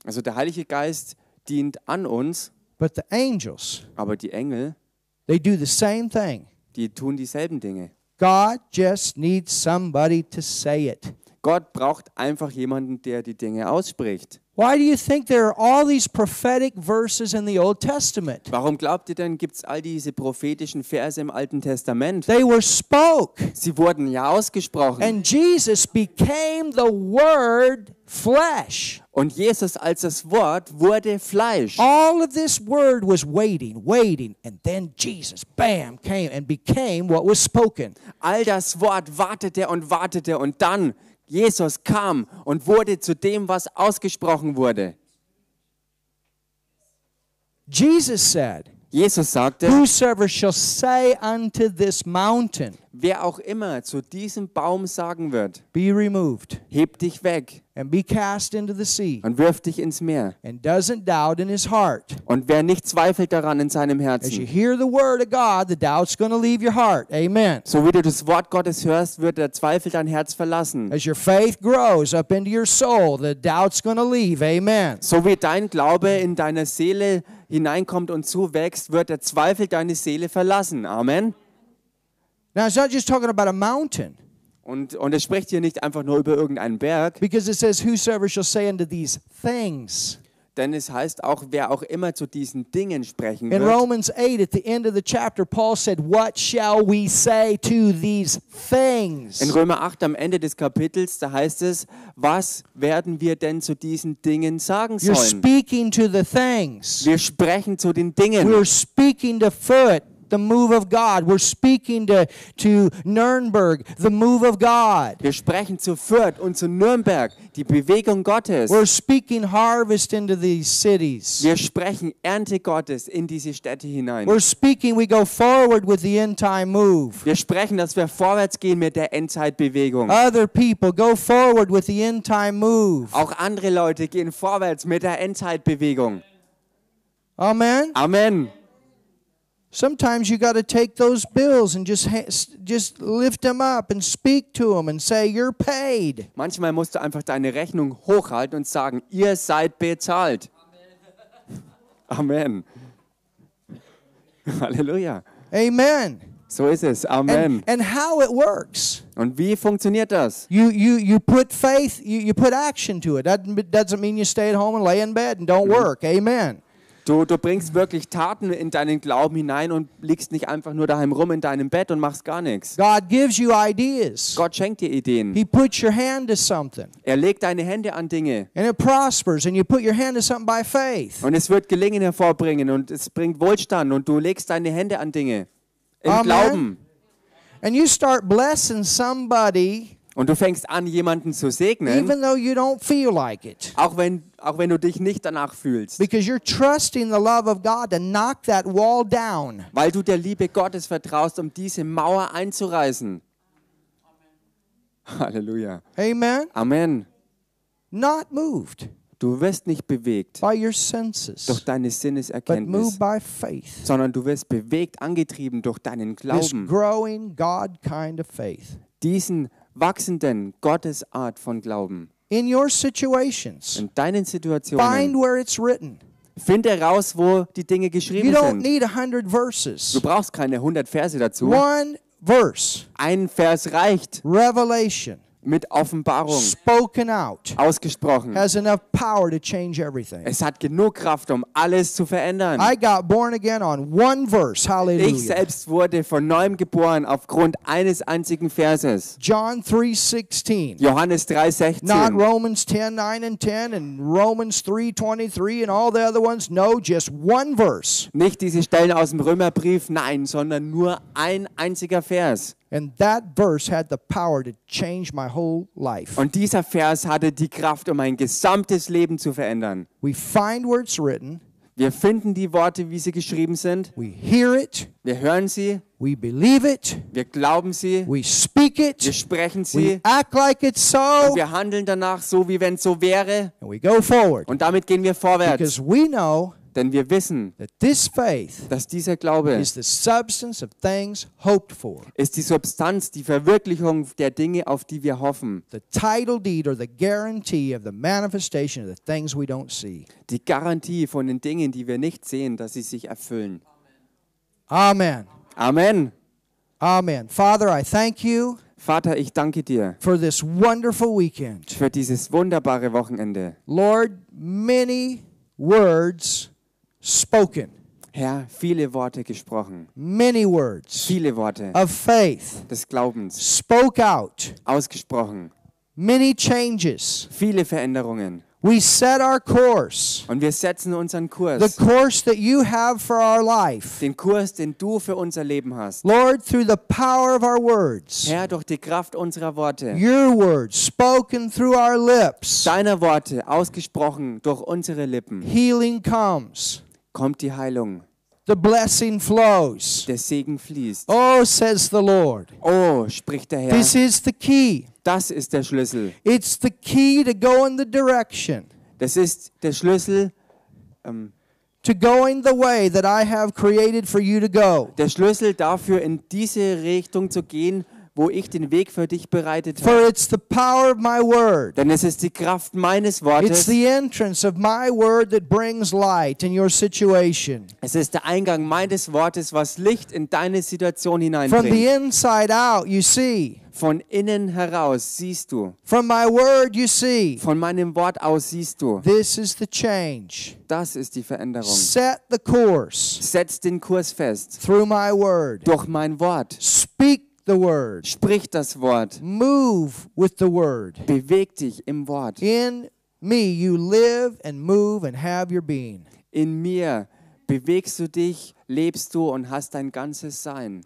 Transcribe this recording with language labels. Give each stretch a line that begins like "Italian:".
German: Also der Heilige Geist dient an uns.
English: But the angels.
German: Aber die Engel.
English: They do the same thing.
German: Die tun dieselben Dinge.
English: God just needs somebody to say it.
German: Gott braucht einfach jemanden, der die Dinge ausspricht.
English: Why do you think there are all these prophetic verses in the Old Testament?
German: Warum glaubt ihr denn, gibt's all diese prophetischen Verse im Alten Testament?
English: They were spoke.
German: Sie wurden ja ausgesprochen.
English: And Jesus became the Word flesh.
German: Und Jesus als das Wort wurde Fleisch.
English: All of this word was waiting, waiting, and then Jesus, bam, came and became what was spoken.
German: All das Wort wartete und wartete und dann Jesus kam und wurde zu dem, was ausgesprochen wurde.
English: Jesus said,
German: Jesus sagte,
English: whosoever shall say unto this mountain,
German: wer auch immer zu diesem Baum sagen wird,
English: be removed,
German: heb dich weg,
English: and be cast into the sea,
German: und wirf dich ins Meer,
English: and doesn't doubt in his heart,
German: und wer nicht zweifelt daran in seinem Herzen,
English: as you hear the word of God, the doubt's going to leave your heart, amen.
German: So wie du das Wort Gottes hörst, wird der Zweifel dein Herz verlassen.
English: As your faith grows up into your soul, the doubt's going to leave, amen.
German: So wie dein Glaube in deiner Seele hineinkommt und zuwächst, wird der Zweifel deine Seele verlassen, amen.
English: Now it's not just talking about a mountain.
German: Und es spricht hier nicht einfach nur über irgendeinen Berg.
English: Because it says, whosoever shall say unto these things.
German: Denn es heißt auch, wer auch immer zu diesen Dingen sprechen wird.
English: In Romans 8, at the end of the chapter, Paul said, what shall we say to these things?
German: In Römer 8, am Ende des Kapitels, da heißt es, was werden wir denn zu diesen Dingen sagen sollen?
English: You're speaking to the things.
German: Wir sprechen zu den Dingen.
English: We're speaking to foot. The move of God. We're speaking to Nuremberg. The move of God.
German: Wir sprechen zu Fürth und zu Nürnberg. Die Bewegung Gottes.
English: We're speaking harvest into these cities.
German: Wir sprechen Ernte Gottes in diese Städte hinein.
English: We're speaking. We go forward with the end time move.
German: Wir sprechen, dass wir vorwärts gehen mit der Endzeitbewegung.
English: Other people go forward with the end time move.
German: Auch andere Leute gehen vorwärts mit der Endzeitbewegung.
English: Amen.
German: Amen.
English: Sometimes you got to take those bills and just lift them up and speak to them and say you're paid.
German: Manchmal musst du einfach deine Rechnung hochhalten und sagen, ihr seid bezahlt.
English: Amen. Halleluja.
German: Amen. So ist es. Amen.
English: And how it works.
German: Und wie funktioniert das?
English: You put faith, you put action to it. That doesn't mean you stay at home and lay in bed and don't work. Amen.
German: Du bringst wirklich Taten in deinen Glauben hinein und liegst nicht einfach nur daheim rum in deinem Bett und machst gar nichts.
English: God gives you ideas.
German: Gott schenkt dir Ideen.
English: He puts your hand to something.
German: Er legt deine Hände an Dinge.
English: And it prospers and you put your hand to something by faith.
German: Und es wird Gelingen hervorbringen und es bringt Wohlstand und du legst deine Hände an Dinge im
English: Amen.
German: Glauben.
English: And you start blessing somebody.
German: Und du fängst an, jemanden zu segnen,
English: even though you don't feel like it.
German: Auch wenn auch wenn du dich nicht danach fühlst.
English: Because you're trusting the love of God to knock that wall down.
German: Weil du der Liebe Gottes vertraust, um diese Mauer einzureißen.
English: Amen. Halleluja.
German: Amen. Amen.
English: Not moved.
German: Du wirst nicht bewegt
English: by your senses,
German: durch deine Sinneserkenntnis,
English: but moved by faith,
German: sondern du wirst bewegt, angetrieben durch deinen Glauben.
English: This growing God kind of faith.
German: Diesen wachsenden Gottesart von Glauben.
English: In your situations,
German: in deinen Situationen,
English: find where it's written.
German: Find heraus, wo die Dinge geschrieben
English: you don't
German: sind.
English: Need 100 verses.
German: Du brauchst keine 100 Verse dazu.
English: One verse.
German: Ein Vers reicht.
English: Revelation.
German: Mit Offenbarung.
English: Spoken out.
German: Ausgesprochen.
English: Has enough power to change everything.
German: Es hat genug Kraft, um alles zu verändern.
English: I got born again on one verse. Hallelujah.
German: Ich selbst wurde von neuem geboren aufgrund eines einzigen Verses.
English: John 3:16.
German: Johannes 3:16.
English: Not Romans 10:9 and 10 and Romans 3:23 and all the other ones. No, just one verse.
German: Nicht diese Stellen aus dem Römerbrief, nein, sondern nur ein einziger Vers.
English: And that verse had the power to change my whole life.
German: Und dieser Vers hatte die Kraft, um mein gesamtes Leben zu verändern.
English: We find where it's written.
German: Wir finden die Worte, wie sie geschrieben sind.
English: We hear it.
German: Wir hören sie.
English: We believe it.
German: Wir glauben sie.
English: We speak it.
German: Wir sprechen sie.
English: We act like it's so.
German: Und wir handeln danach, so wie wenn es so wäre.
English: And we go forward.
German: Und damit gehen wir vorwärts.
English: Because we know.
German: Denn wir wissen,
English: that this faith,
German: dass dieser Glaube
English: is the substance of things hoped for,
German: ist die Substanz, die Verwirklichung der Dinge, auf die wir hoffen.
English: The title deed or the guarantee of the manifestation of the things we don't see.
German: Die Garantie von den Dingen, die wir nicht sehen, dass sie sich erfüllen.
English: Amen.
German: Amen.
English: Amen. Father, I thank you.
German: Vater, ich danke dir
English: for this wonderful weekend.
German: Für dieses wunderbare Wochenende.
English: Lord, many words spoken.
German: Herr, viele Worte gesprochen.
English: Many words.
German: Viele Worte.
English: Of faith.
German: Des Glaubens.
English: Spoke out.
German: Ausgesprochen.
English: Many changes.
German: Viele Veränderungen.
English: We set our course.
German: Und wir setzen unseren Kurs.
English: The course that you have for our life.
German: Den Kurs, den du für unser Leben hast.
English: Lord, through the power of our words.
German: Herr, durch die Kraft unserer Worte.
English: Your words spoken through our lips.
German: Deine Worte ausgesprochen durch unsere Lippen.
English: Healing comes.
German: Kommt die Heilung.
English: The blessing flows.
German: Der Segen fließt.
English: Oh, says the Lord.
German: Oh, spricht der Herr.
English: This is the key.
German: Das ist der Schlüssel.
English: It's the key to go in the direction.
German: Das ist der Schlüssel
English: to going the way that I have created for you to go.
German: Der Schlüssel dafür, in diese Richtung zu gehen, wo ich den Weg für dich bereitet habe.
English: For it's the power of my word.
German: Denn es ist die Kraft meines Wortes.
English: It's the entrance of my word that brings light in your situation.
German: Es ist der Eingang meines Wortes, was Licht in deine Situation hineinbringt.
English: From the inside out, you see.
German: Von innen heraus siehst du.
English: From my word you see.
German: Von meinem Wort aus siehst du.
English: This is the change.
German: Das ist die Veränderung.
English: Set the course.
German: Setz den Kurs fest.
English: Through my word.
German: Durch mein Wort.
English: Speak the word.
German: Sprich das Wort.
English: Move with the word.
German: Beweg dich im Wort.
English: In me you live and move and have your being.
German: In mir bewegst du dich, lebst du und hast dein ganzes Sein.